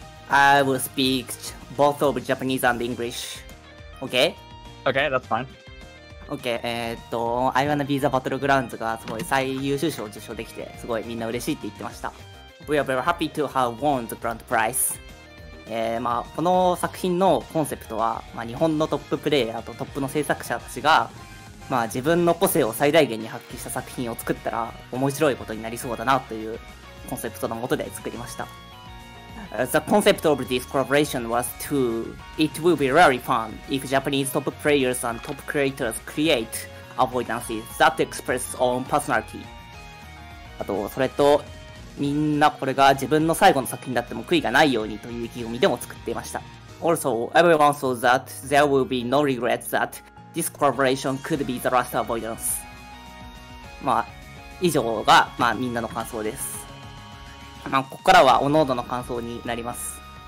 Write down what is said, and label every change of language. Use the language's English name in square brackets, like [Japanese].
[English] I will speak both of Japanese and English. Okay? Okay, that's fine. [Japanese] Okay. I Wanna Be the Battlegrounds がすごい最優秀賞を受賞できてすごいみんな嬉しいって言ってました。 [English] We are very happy to have won the grand prize. [Japanese] この作品のコンセプトは、日本のトッププレイヤーとトップの制作者たちが、自分の個性を最大限に発揮した作品を作ったら面白いことになりそうだなというコンセプトのもとで作りました。 [English] The concept of this collaboration was to it will be really fun if Japanese top players and top creators create avoidances that express own personality. [Japanese] あと、それとみんなこれが自分の最後の作品だっても悔いがないようにという意気込みでも作っていました。 [English] Also, everyone saw that there will be no regrets that this collaboration could be the last avoidance. [Japanese] 以上が、みんなの感想です。ここからはおのおどの感想になります。